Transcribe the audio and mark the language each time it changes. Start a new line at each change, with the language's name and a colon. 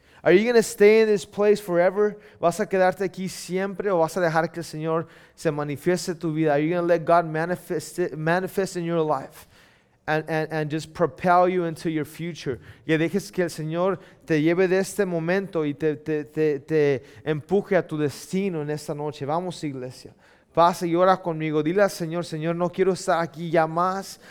English: Are you going to stay in this place forever?
Spanish: ¿Vas a quedarte aquí siempre o vas a dejar que el Señor se manifieste tu vida?
English: Are you going to let God manifest in your life? And just propel you into your future.
Spanish: Que dejes que el Señor te lleve de este momento y te empuje a tu destino en esta noche. Vamos, iglesia. Pase y ora conmigo. Dile al Señor, Señor, no quiero estar aquí ya más.